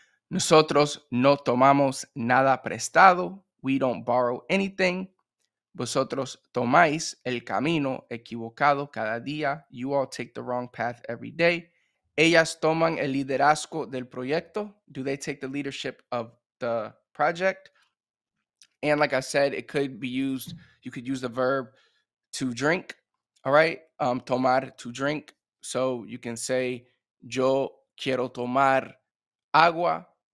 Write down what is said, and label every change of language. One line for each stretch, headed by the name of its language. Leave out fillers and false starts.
Spanish: Nosotros no tomamos nada prestado.
English: We don't borrow anything.
Spanish: Vosotros tomáis el camino equivocado cada día.
English: You all take the wrong path every day.
Spanish: Ellas toman el liderazgo del proyecto.
English: Do they take the leadership of the project? And like I said, it could be used, you could use the verb to drink. All right, tomar, to drink. So you can say,
Spanish: yo quiero tomar agua.